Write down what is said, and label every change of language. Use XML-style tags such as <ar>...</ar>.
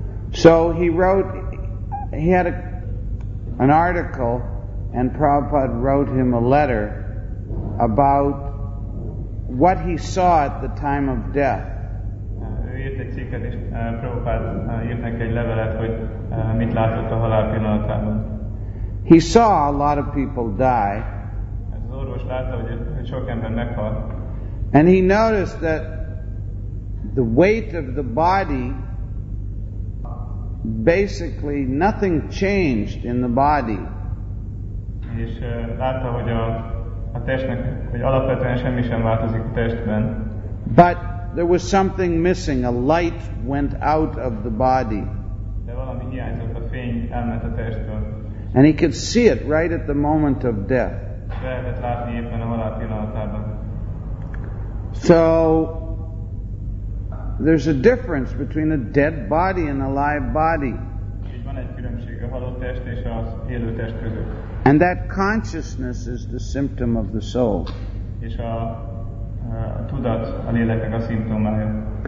<en>So he had an article, and Prabhupada wrote him a letter about what he saw at the time of death.</en> <hu>Ő írt egy sikerült is Prabhupád írt neki egy levelet, hogy mit látott a halál pillanatában.</hu> <en>He saw a lot of people die.</en> <hu>Az orvos látta, hogy sok ember meghal.</hu> <en>And he noticed that the weight of the body, basically nothing changed in the body.</en> <hu>És látta, hogy a testnek, hogy alapvetően semmi sem változik a testben.</hu> <en>But there was something missing. A light went out of the body.</en> <hu>De valami hiányzott, a fény elment a testből.</hu> <en>And he could see it right at the moment of death.</en> <hu>Lehetett látni éppen a halál pillanatában.</hu> <en>So there's a difference between a dead body and a live body.</en> <hu>Van egy különbség a halott test és az élő test között.</hu> <en>And that consciousness is the symptom of the soul.</en> <hu>És a tudat a léleknek a szimptomája.</hu>